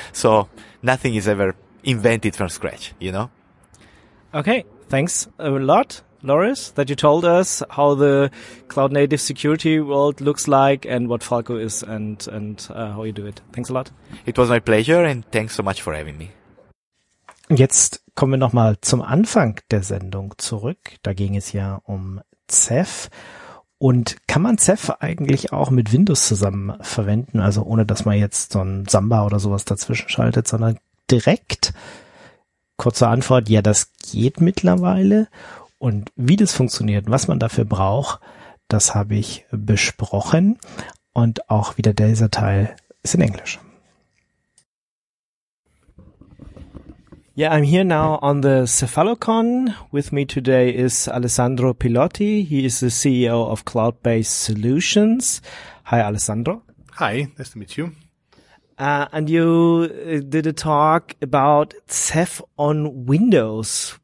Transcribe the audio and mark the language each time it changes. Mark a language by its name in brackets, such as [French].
[English] So nothing is ever invented from scratch, you know? Okay, thanks a lot, Loris, that you told us how the cloud-native security world looks like and what Falco is and how you do it. Thanks a lot. It was my pleasure and thanks so much for having me. [German] Jetzt kommen wir nochmal zum Anfang der Sendung zurück. Da ging es ja um CEF. Und kann man CEF eigentlich auch mit Windows zusammen verwenden? Also ohne, dass man jetzt so ein Samba oder sowas dazwischen schaltet, sondern direkt? Kurze Antwort, ja, das geht mittlerweile. Und wie das funktioniert, was man dafür braucht, das habe ich besprochen. Und auch wieder dieser Teil ist in Englisch. [English] Yeah, I'm here now on the Cephalocon. With me today is Alessandro Pilotti. He is the CEO of Cloud-Based Solutions. Hi, Alessandro. Hi, nice to meet you. And you did a talk about CEF on Windows.